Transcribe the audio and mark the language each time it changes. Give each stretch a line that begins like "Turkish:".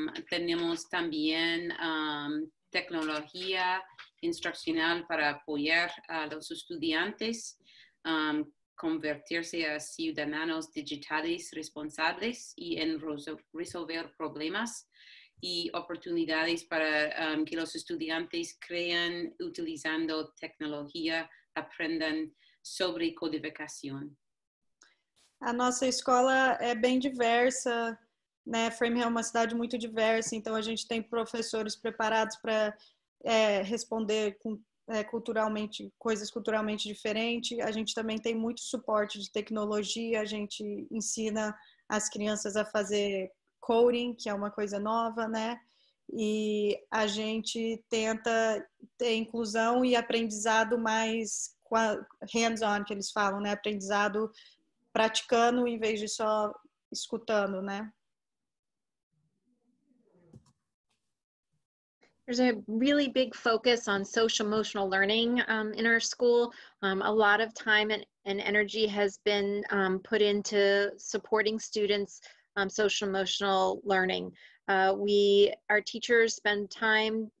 Spanish: Tenemos también tecnología instruccional para apoyar a los estudiantes convertirse a ciudadanos digitales responsables y en resolver problemas y oportunidades para que los estudiantes crean utilizando tecnología, aprendan sobre codificación.
Portuguese: A nossa escola é bem diversa, né? Framingham é uma cidade muito diversa, então a gente tem professores preparados para responder culturalmente, coisas culturalmente diferentes. A gente também tem muito suporte de tecnologia, a gente ensina as crianças a fazer coding, que é uma coisa nova, né? E a gente tenta ter inclusão e aprendizado mais hands-on, que eles falam, né? Aprendizado praticando em vez de só escutando, né?
English: There's a really big focus on social emotional learning in our school. A lot of time and energy has been put into supporting students' social emotional learning. Our teachers spend time